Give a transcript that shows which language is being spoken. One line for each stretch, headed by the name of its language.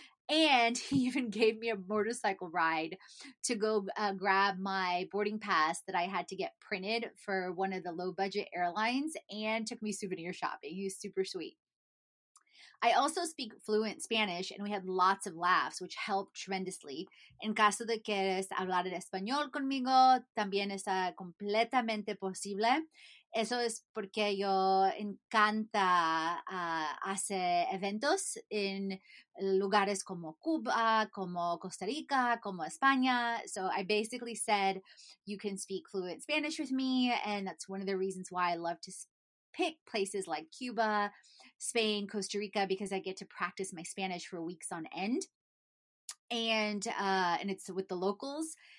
English: And he even gave me a motorcycle ride to go grab my boarding pass that I had to get printed for one of the low budget airlines and took me souvenir shopping. He was super sweet. I also speak fluent Spanish and we had lots of laughs, which helped tremendously.
Spanish: En caso de que quieras hablar en español conmigo, también está completamente posible. Eso es porque yo encanta hacer eventos en lugares como Cuba, como Costa Rica, como España.
English: So I basically said, you can speak fluent Spanish with me. And that's one of the reasons why I love to pick places like Cuba, Spain, Costa Rica, because I get to practice my Spanish for weeks on end. And it's with the locals.